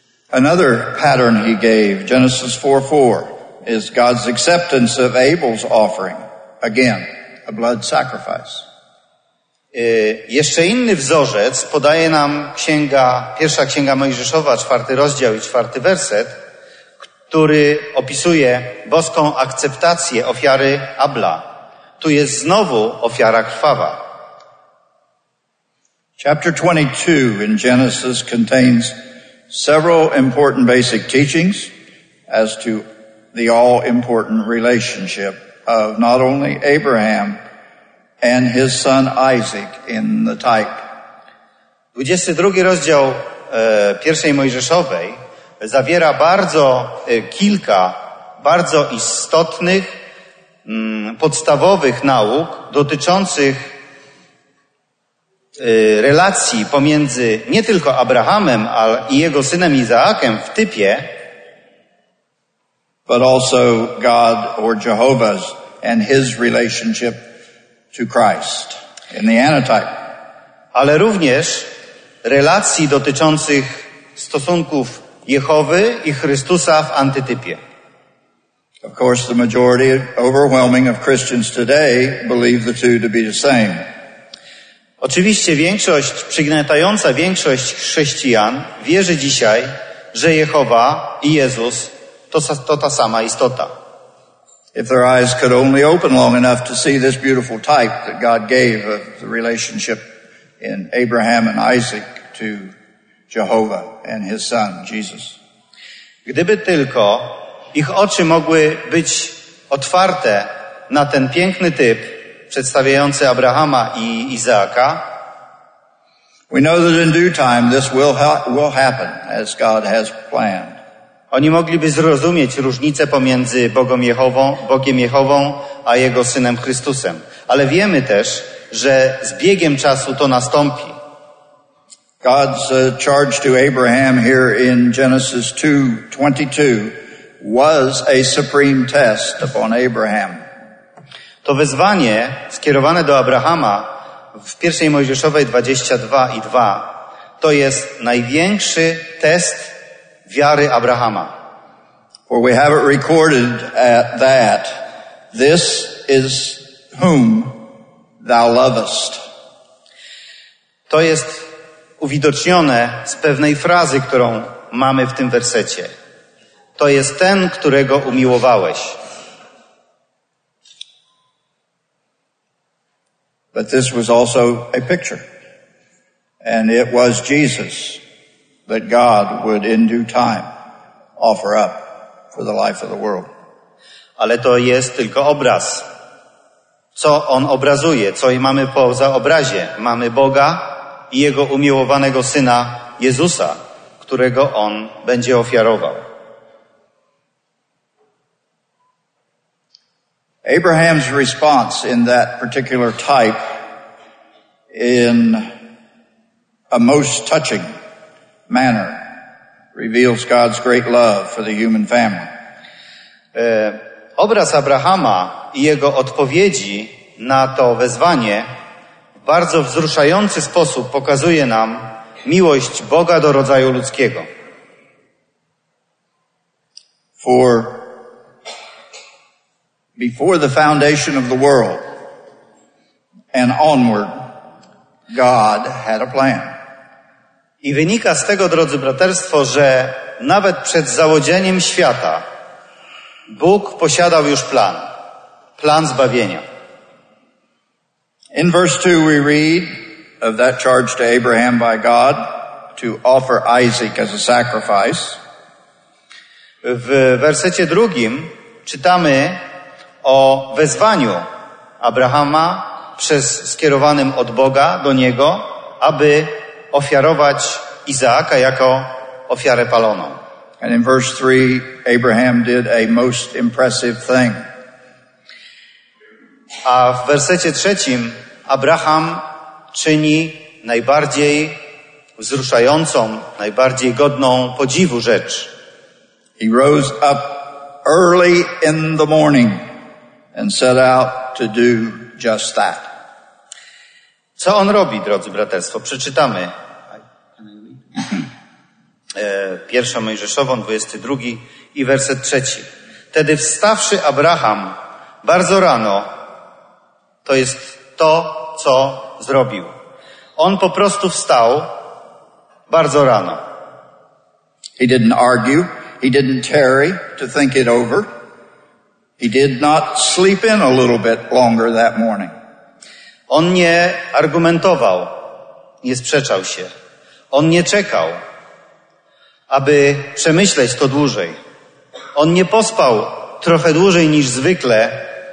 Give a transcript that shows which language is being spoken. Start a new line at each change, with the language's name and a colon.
English: Another pattern he gave, Genesis 4:4, is God's acceptance of Abel's offering, again, a blood sacrifice.
Polish: Jeszcze inny wzorzec podaje nam pierwsza księga Mojżeszowa, 4 rozdział i 4 werset, który opisuje boską akceptację ofiary Abla. Tu jest znowu ofiara krwawa.
English: Chapter 22 in Genesis contains several important basic teachings as to the all-important relationship of not only Abraham and his son Isaac in the type.
Polish: 22 rozdział pierwszej Mojżeszowej zawiera kilka bardzo istotnych, podstawowych nauk dotyczących relacji pomiędzy nie tylko Abrahamem, ale i jego synem Izaakiem w typie,
English: but also God or Jehovah's and his relationship to Christ in the antitype.
Polish: Ale również relacji dotyczących stosunków Jehowy i Chrystusa w antytypie.
English: Of course, the majority, overwhelming of Christians today believe the two to be the same.
Polish: Oczywiście przygniatająca większość chrześcijan wierzy dzisiaj, że Jehowa i Jezus to ta sama istota.
English: If their eyes could only open long enough to see this beautiful type that God gave of the relationship in Abraham and Isaac to Jehovah and his son Jesus.
Polish: Gdyby tylko ich oczy mogły być otwarte na ten piękny typ przedstawiający Abrahama i Izaaka.
English: We know that in due time this will happen as God has planned.
Polish: Oni mogliby zrozumieć różnicę pomiędzy Bogiem Jehową a jego synem Chrystusem. Ale wiemy też, że z biegiem czasu to nastąpi.
English: God's charge to Abraham here in Genesis 2:22 was a supreme test upon Abraham.
Polish: To wezwanie skierowane do Abrahama w 1 Mojżeszowej 22:2 to jest największy test wiary Abrahama.
English: For we have it recorded at that, this is whom thou lovest.
Polish: To jest uwidocznione z pewnej frazy, którą mamy w tym wersecie. To jest ten, którego umiłowałeś.
English: But this was also a picture. And it was Jesus that God would in due time offer up for the life of the world.
Polish: Ale to jest tylko obraz. Co on obrazuje? Co mamy poza obrazie? Mamy Boga i jego umiłowanego syna Jezusa, którego on będzie ofiarował.
English: Abraham's response in that particular type in a most touching manner reveals God's great love for the human family.
Polish: Obraz Abrahama i jego odpowiedzi na to wezwanie bardzo wzruszający sposób pokazuje nam miłość Boga do rodzaju ludzkiego.
English: For before the foundation of the world and onward, God had a plan.
Polish: I wynika z tego, drodzy braterstwo, że nawet przed założeniem świata Bóg posiadał już plan. Plan zbawienia.
English: In verse 2 we read of that charge to Abraham by God to offer Isaac as a sacrifice.
Polish: W wersecie drugim czytamy o wezwaniu Abrahama przez skierowanym od Boga do niego, aby ofiarować Izaaka jako ofiarę paloną.
English: And in verse 3, Abraham did a most impressive thing.
Polish: A w wersecie trzecim Abraham czyni najbardziej wzruszającą, najbardziej godną podziwu rzecz.
English: He rose up early in the morning and set out to do just that.
Polish: Co on robi, drodzy braterstwo? Przeczytamy. Pierwsza Mojżeszową, 22 i werset 3. Wtedy wstawszy Abraham bardzo rano, to jest to, co zrobił. On po prostu wstał bardzo rano.
English: He didn't argue. He didn't tarry to think it over. He did not sleep in a little bit longer that morning.
Polish: On nie argumentował, nie sprzeczał się. On nie czekał, aby przemyśleć to dłużej. On nie pospał trochę dłużej niż zwykle.